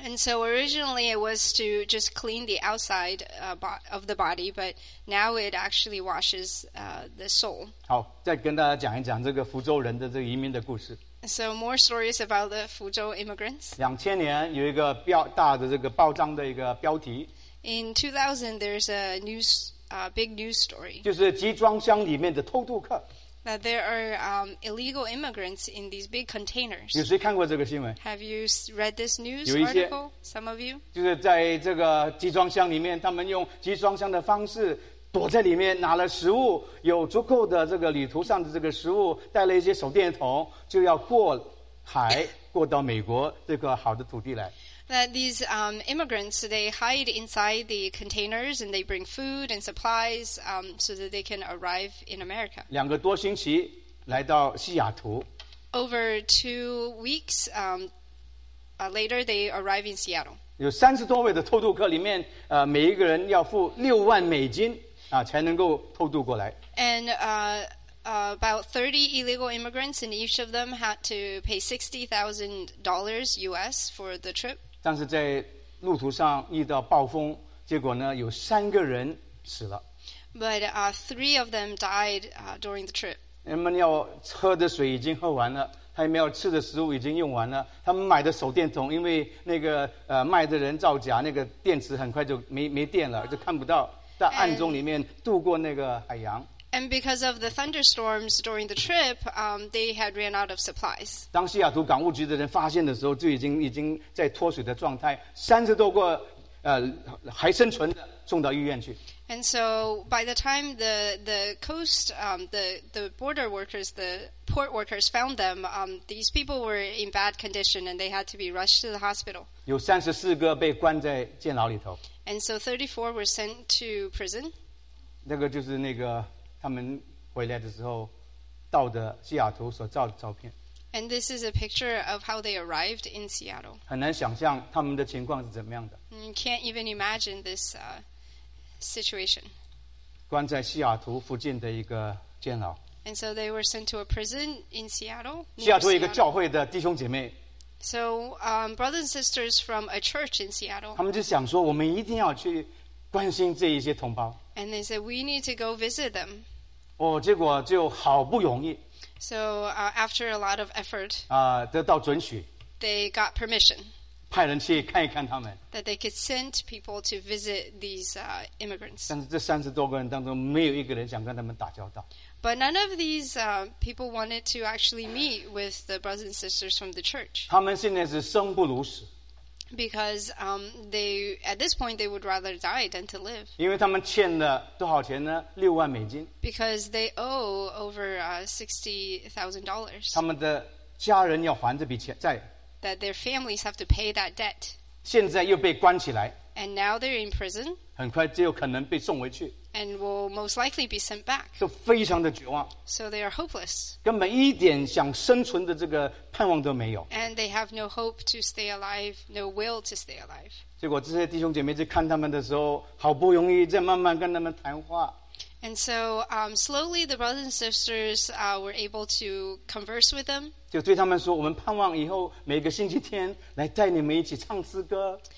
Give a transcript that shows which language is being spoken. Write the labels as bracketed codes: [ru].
[en] And so originally it was to just clean the outside of the body, but now it actually washes the soul. [zh] 好，再跟大家讲一讲这个福州人的这个移民的故事。 [en] So more stories about the Fuzhou immigrants. [zh] 2000年有一个标大的这个报章的一个标题。 [en] In 2000, there's a news, big news story. [zh] 就是集装箱里面的偷渡客。 [en] That there are illegal immigrants in these big containers. [zh] 有谁看过这个新闻？ [en] Have you read this news article? Some of you. [zh] 就是在这个集装箱里面，他们用集装箱的方式躲在里面，拿了食物，有足够的这个旅途上的这个食物，带了一些手电筒，就要过海，过到美国这个好的土地来。 [en] That these immigrants, they hide inside the containers and they bring food and supplies so that they can arrive in America. [zh] 两个多星期来到西雅图。 [en] Over 2 weeks later, they arrive in Seattle. [zh] 有三十多位的偷渡客里面，每一个人要付$60,000才能够偷渡过来。 [en] And about 30 illegal immigrants, and each of them had to pay $60,000 US for the trip. [zh] 但是在路途上遇到暴风，结果呢有三个人死了。 [en] But three of them died during the trip. [zh] 他们要喝的水已经喝完了，他们要吃的食物已经用完了，他们买的手电筒因为那个卖的人造假，那个电池很快就没电了，就看不到，在暗中里面渡过那个海洋。 [en] And because of the thunderstorms during the trip, they had ran out of supplies. [zh] 当西雅图港务局的人发现的时候，就已经在脱水的状态，三十多个还生存的送到医院去。 [en] And so by the time the coast, the border workers, the port workers found them, these people were in bad condition and they had to be rushed to the hospital. [zh] 有三十四个被关在监牢里头。 [en] And so 34 were sent to prison. [zh] 那个就是那个。他们回来的时候到的西雅图所照的照片。 [en] And this is a picture of how they arrived in Seattle. [zh] 很难想象他们的情况是怎么样的。 [en] You can't even imagine this situation. [zh] 关在西雅图附近的一个监牢。 [en] And so they were sent to a prison in Seattle. [zh] 西雅图一个教会的弟兄姐妹。 [en] So brothers and sisters from a church in Seattle. [zh] 他们就想说我们一定要去关心这一些同胞。 [en] And they said, we need to go visit them. [zh] 哦，结果就好不容易。 [en] So after a lot of effort, [zh] 得到准许。 [en] They got permission. [zh] 派人去看一看他们。 [en] That they could send people to visit these immigrants. [zh] 但是这三十多个人当中没有一个人想跟他们打交道。 [en] But none of these people wanted to actually meet with the brothers and sisters from the church. [zh] 他们现在是生不如死。 [en] Because they, at this point, they would rather die than to live. [zh] 因为他们欠了多少钱呢？ $60,000。 [en] Because they owe over $60,000. [zh] 他们的家人要还这笔钱债。 [en] That their families have to pay that debt. [zh] 现在又被关起来。 [en] And now they're in prison. [zh] 很快就有可能被送回去。 [en] And will most likely be sent back. [zh] 就非常的绝望。 [en] So they are hopeless. [zh] 根本一点想生存的这个盼望都没有。 [en] And they have no hope to stay alive, no will to stay alive. [zh] 结果这些弟兄姐妹在看他们的时候，好不容易再慢慢跟他们谈话。 [en] And so slowly the brothers and sisters were able to converse with them. [zh] 就对他们说，我们盼望以后每个星期天来带你们一起唱诗歌。